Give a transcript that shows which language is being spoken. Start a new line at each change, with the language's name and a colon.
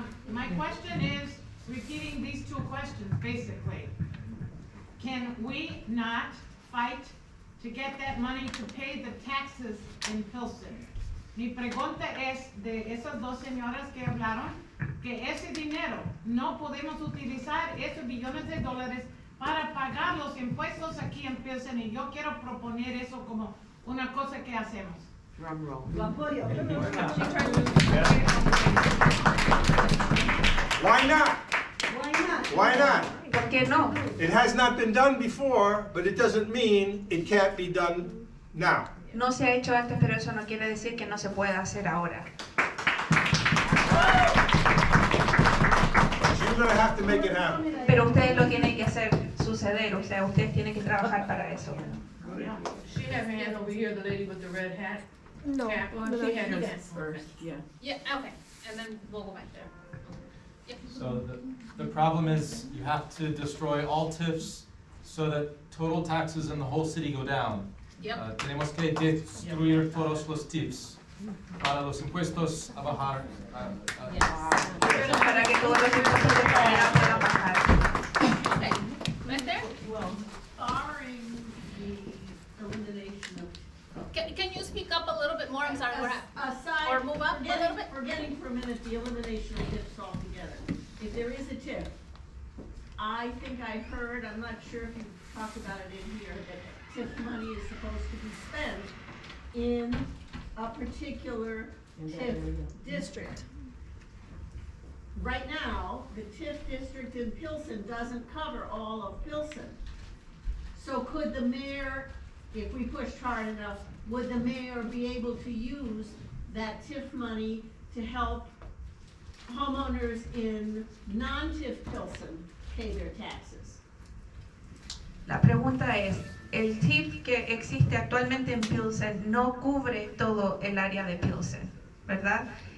English: my question is repeating these two questions, basically. Can we not fight to get that money to pay the taxes in Pilsen?
Spanish: Mi pregunta es de esas dos señoras que hablaron, que ese dinero, no podemos utilizar esos billones de dólares para pagar los impuestos aquí en Pilsen, y yo quiero proponer eso como una cosa que hacemos.
English: Drum roll. Why not? Why not?
Spanish: ¿Por qué no?
English: It has not been done before, but it doesn't mean it can't be done now.
Spanish: No se ha hecho antes, pero eso no quiere decir que no se pueda hacer ahora.
English: You're going to have to make it happen.
Spanish: Pero ustedes lo tienen que hacer suceder, o sea, ustedes tienen que trabajar para eso.
English: She has her hand over here, the lady with the red hat. No. She had her first. Yeah, okay. And then we'll go back there. So the problem is you have to destroy all TIFs so that total taxes in the whole city go down. Yep.
Spanish: Tenemos que destruir todos los TIFs para los impuestos a bajar.
English: Yes.
Spanish: Para que todos los impuestos puedan bajar.
English: Okay. Right there? Housing Authority, the can you speak up a little bit more? I'm sorry. Aside, move up a little bit. Forgetting for a minute the elimination of TIFs altogether. If there is a TIF, I think I heard, I'm not sure if you talked about it in here, that TIF money is supposed to be spent in a particular TIF district. Right now, the TIF district in Pilsen doesn't cover all of Pilsen. So could the mayor, if we pushed hard enough, would the mayor be able to use that TIF money to help homeowners in non-TIF Pilsen pay their taxes?
Spanish: La pregunta es, el TIF que existe actualmente en Pilsen no cubre todo el área de Pilsen, ¿verdad?